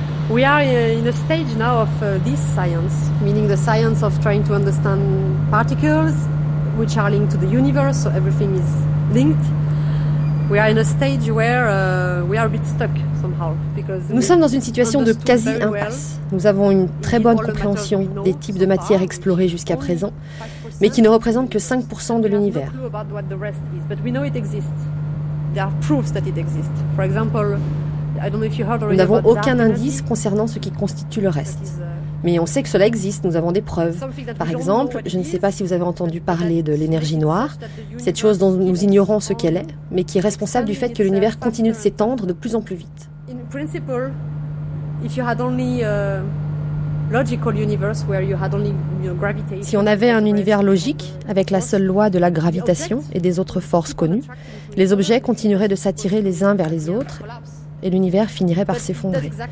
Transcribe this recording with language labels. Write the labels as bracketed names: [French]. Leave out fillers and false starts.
[English] We are in a stage now of this science, meaning the science of trying to understand particles which are linked to the universe, so everything is linked. We are in a stage where we are a bit stuck somehow. [French] Nous sommes dans une situation de quasi-impasse. Nous avons une très bonne compréhension des types de matières explorées jusqu'à présent, mais qui ne représentent que 5% de l'univers. Nous n'avons aucun indice concernant ce qui constitue le reste. Mais on sait que cela existe, nous avons des preuves. Par exemple, je ne sais pas si vous avez entendu parler de l'énergie noire, cette chose dont nous ignorons ce qu'elle est, mais qui est responsable du fait que l'univers continue de s'étendre de plus en plus vite. [English] In principle, if you had only a logical universe where you had only gravitation. [French] Si on avait un univers logique avec la seule loi de la gravitation et des autres forces connues, les objets continueraient de s'attirer les uns vers les autres et l'univers finirait par s'effondrer.